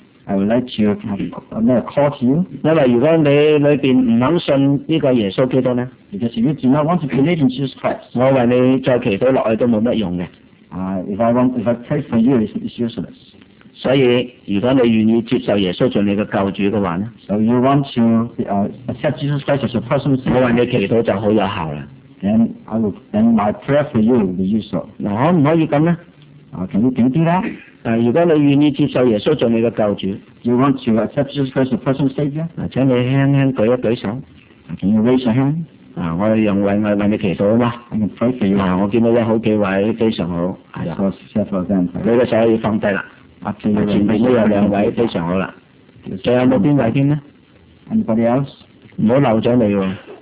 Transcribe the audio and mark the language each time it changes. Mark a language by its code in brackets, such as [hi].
[en] ，I would like to have a call to you。 [yue] 因为如果你里边唔肯信呢个耶稣基督呢 [en] ，Because if you do not want to believe in Jesus Christ， [yue] 我为你再祈祷落去都冇乜用嘅。 [en] If I trust in you, it's useless. [yue] 所以如果你愿意接受耶稣做你的救主的话呢 [en] ？So you want to accept Jesus Christ as a person? [yue] 我为你祈祷就好有效啦。 [en] Then my prayer for you will be useful. [yue] 那可唔可以咁呢？咁点啲啦？如果你愿意接受耶稣做你的救主 [en] ，You want to accept Jesus Christ as a person savior? [yue] 请你轻轻举一举手。 [en] Can you raise your hand? [yue] 我哋用为我为你祈祷啊嘛。 [en] I'm pray for you. [yue] 我见到有好几位非常好。 [en] I saw several of them. [yue] 你嘅手可以放低啦。前面都有两位非常好啦，仲有冇边位添咧 [en] ？Anybody else？ [yue] 唔好漏咗你喎。